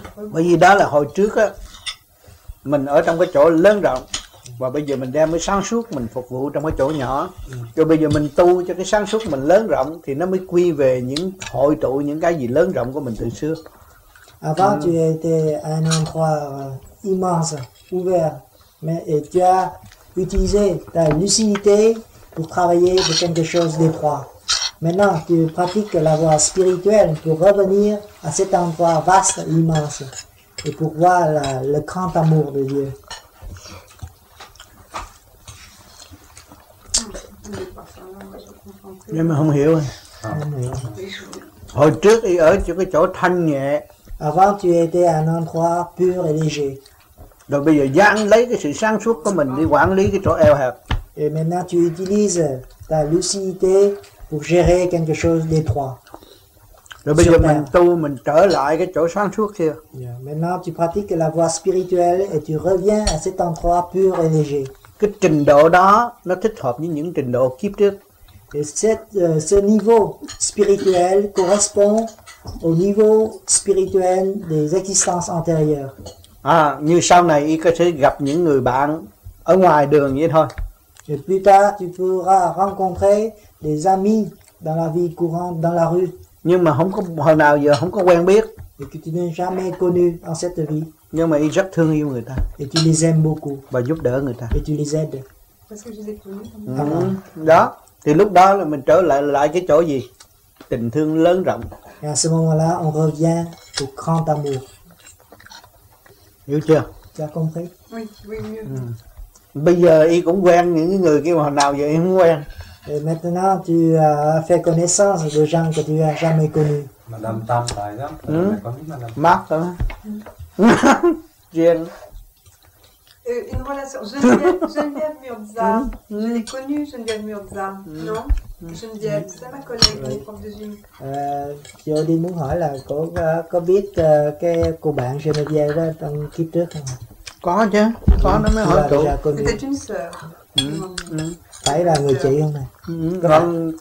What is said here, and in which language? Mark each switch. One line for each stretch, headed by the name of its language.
Vietnamese: Bởi vì đó là hồi trước á, mình ở trong cái chỗ lớn rộng, và bây giờ mình đem cái sáng suốt mình phục vụ trong cái chỗ nhỏ. Rồi bây giờ mình tu cho cái sáng suốt mình lớn rộng, thì nó mới quy về những hội tụ những cái gì lớn rộng của mình từ xưa.
French: Avant tu étais un endroit immense, ouvert, mais et tu as utilisé ta lucidité pour travailler de quelque chose d'étroit. Maintenant, tu pratiques la voie spirituelle pour revenir à cet endroit vaste et immense et pour voir la, le grand amour de Dieu.
Vietnamese: Nhưng mà không hiểu. Hồi trước thì ở chỗ cái chỗ thanh nhẹ.
French: Avant, tu étais à un endroit pur et léger.
Vietnamese: Rồi bây giờ dán lấy cái sự sáng suốt của mình đi quản lý cái chỗ eo hẹp.
French: Et maintenant tu utilises ta lucidité pour gérer quelque chose d'étroit.
Vietnamese: Rồi bây giờ mình tu, mình trở lại cái chỗ sáng suốt kia.
French: Maintenant tu pratiques la voie spirituelle et tu reviens à cet endroit pur et léger.
Vietnamese: Cái trình độ đó nó thích hợp với những trình độ kiếp trước.
French: Et ce niveau spirituel correspond au niveau spirituel des existences antérieures.
Vietnamese: À, như sau này y có thể gặp những người bạn ở ngoài đường vậy thôi.
French: Et plus tard, tu pourras rencontrer des amis dans la vie courante, dans la rue.
Vietnamese: Nhưng mà không có hồi nào giờ không có quen biết.
French: Et que tu n'as jamais connu dans cette vie.
Vietnamese: Nhưng mà y rất thương yêu người ta.
French: Et tu les aimes beaucoup.
Vietnamese: Và giúp đỡ người ta.
French: Et tu les aides. Parce que je les ai connus. Đó.
Vietnamese: Thì lúc đó là mình trở lại cái chỗ gì? Tình thương lớn rộng.
French: Et à ce moment-là, on revient au grand amour.
Vietnamese: Hiểu chưa?
French: Tu as compris? Oui, oui, mieux.
Vietnamese: Bây giờ y cũng quen những người kia hồi nào giờ y không quen.
French: Et maintenant tu as fait connaissance de gens que tu as jamais connu.
Vietnamese: Madame Tam tại đó. Mắt đó. Riêng.
French: Une relation. Geneviève Murza. Je l'ai connue, Geneviève Murza. Non? Geneviève, c'est ma collègue, prof de gym.
Vietnamese: Chị Odin muốn hỏi là có biết cái cô bạn Geneviève đó trong kiếp trước không? Có chứ, có nó mới hỏi tụi.
French: C'était une sœur.
Vietnamese: Phải là người chị không này?